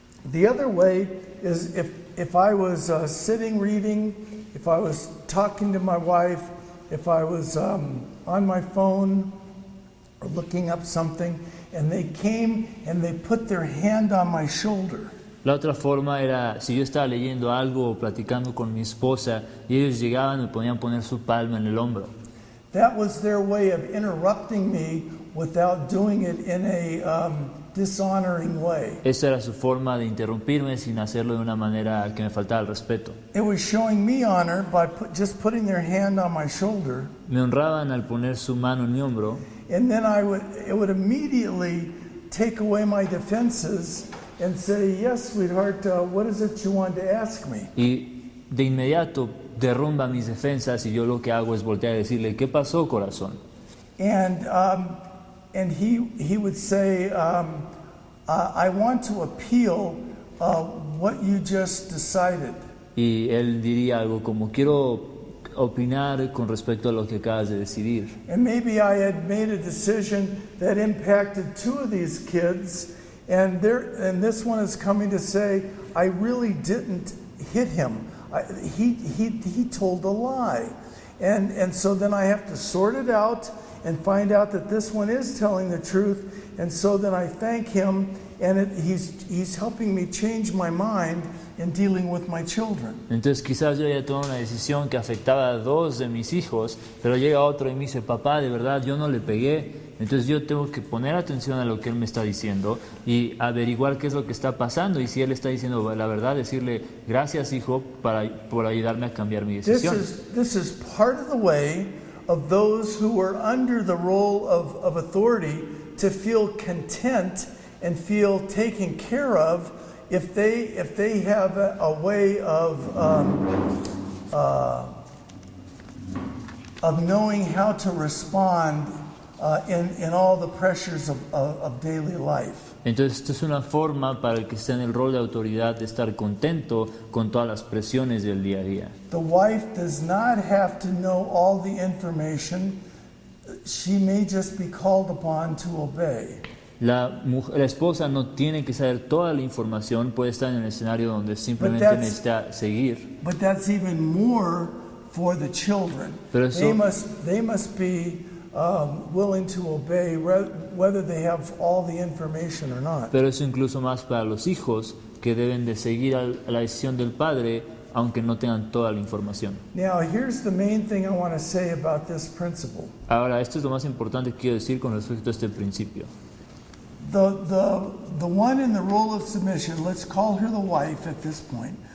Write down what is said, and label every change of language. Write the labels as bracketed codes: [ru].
[en] The other way is if I was sitting reading, if I was talking to my wife, if I was on my phone or looking up something, and they came and they put their hand on my shoulder. [es] La otra forma era si yo estaba leyendo algo o platicando con mi esposa y ellos llegaban y me podían poner su palma en el hombro. [en] That was their way of interrupting me without doing it in a dishonoring way. [es] Esa era su forma de interrumpirme sin hacerlo de una manera que me faltaba el respeto. [en] It was showing me honor by just putting their hand on my shoulder. [es] Me honraban al poner su mano en mi hombro. [en] And then it would immediately take away my defenses and say, "Yes, sweetheart, what is it you want to ask me?" [es] Y de inmediato derrumba mis defensas y yo lo que hago es voltear y decirle, "¿Qué pasó, corazón?" [en] And he would say, "I want to appeal what you just decided." [es] Y él diría algo como, "Quiero opinar con respecto a lo que acabas de decidir." [en] And maybe I had made a decision that impacted two of these kids. And this one is coming to say, I really didn't hit him. He told a lie. And so then I have to sort it out and find out that this one is telling the truth. And so then I thank him, and he's helping me change my mind in dealing with my children. [es] Entonces quizás yo haya tomado una decisión que afectaba a dos de mis hijos, pero llega otro y me dice, papá, de verdad, yo no le pegué. Entonces yo tengo que poner atención a lo que él me está diciendo y averiguar qué es lo que está pasando. Y si él está diciendo la verdad, decirle gracias, hijo, por ayudarme a cambiar mi decisión. [en] This is part of the way of those who are under the role of authority to feel content and feel taken care of if they have a way of knowing how to respond in all the pressures of daily life. [es] Entonces, esto es una forma para el que esté en el rol de autoridad de estar contento con todas las presiones del día a día. [en] The wife does not have to know all the information. She may just be called upon to obey. [es] La esposa no tiene que saber toda la información. Puede estar en el escenario donde simplemente necesita seguir. [en] But that's even more for the children. [es] Pero eso, [en] they must be willing to obey whether they have all the information or not. [es] Pero eso incluso más para los hijos, que deben de seguir a la decisión del padre aunque no tengan toda la información. [en] Now, here's the main thing I want to say about this principle. [es] Ahora, esto es lo más importante que quiero decir con respecto a este principio. [en] The one in the role of submission, let's call her the wife at this point.